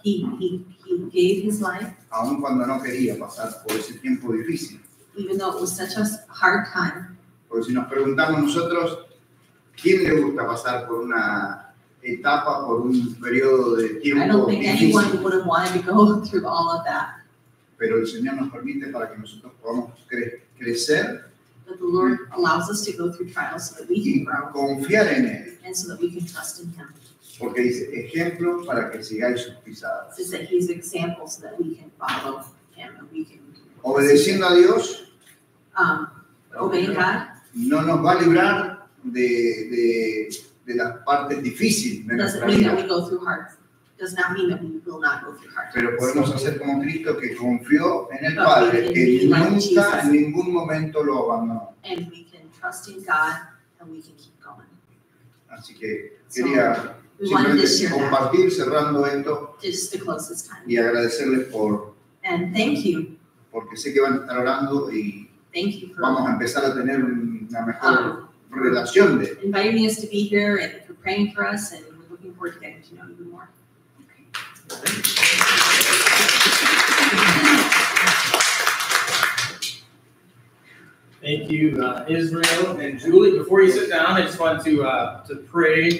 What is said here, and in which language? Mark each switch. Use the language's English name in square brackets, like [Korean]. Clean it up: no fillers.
[English] He gave His life. [Spanish] Aun cuando no quería pasar por ese tiempo difícil. [English] Even though it was such a hard time. [Spanish] Porque si nos preguntamos nosotros, ¿quién le gusta pasar por una etapa por un periodo de tiempo difícil? [English] I don't think [Spanish] difícil. [English] Anyone would have wanted to go through all of that. [Spanish] Pero el Señor nos permite para que nosotros podamos crecer. [English] But the Lord allows us to go through trials so that we can grow. [Spanish] Confiar en Él. [English] And so that we can trust in Him. [Spanish] Porque dice ejemplo para que sigáis sus pisadas. [English] So that he's example so that we can follow him and we can. [Spanish] Obedeciendo a Dios. [English] Obey God. [Spanish] No nos va a librar de las partes difíciles de nuestra vida. [English] Doesn't mean that we go through hard. Does not mean that we will not go through hard. [Spanish] Pero podemos hacer como Cristo que confió en el Padre, que nunca en ningún momento lo abandonó. [English] And we can trust in God and we can keep going. [Spanish] Así que quería simplemente compartir cerrando esto y agradecerles por. [English] And thank you. [Spanish] Porque sé que van a estar orando y [English] thank you for [Spanish] vamos a empezar a tener una mejor relación de. [English] Inviting us to be here and for praying for us and we're looking forward to getting to know you more. Thank you, Israel and Julie. Before you sit down, I just want to pray.